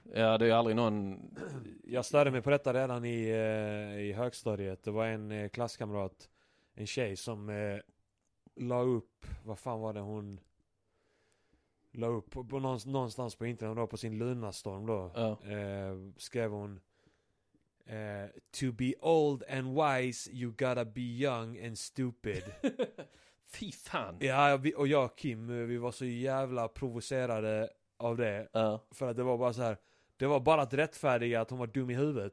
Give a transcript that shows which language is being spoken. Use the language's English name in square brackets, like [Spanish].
[Swedish] Ja, det är ju aldrig någon. Jag störde mig på detta redan i högstadiet. Det var en klasskamrat, en tjej som la upp, vad fan var det hon la upp på någonstans på internet, då på sin Lunastorm då. Ja. Skrev hon [English] to be old and wise you gotta be young and stupid. [Swedish] Fy fan. Ja, och jag och Kim, vi var så jävla provocerade av det. Ja. För att det var bara så här, det var bara att rättfärdiga att hon var dum i huvudet.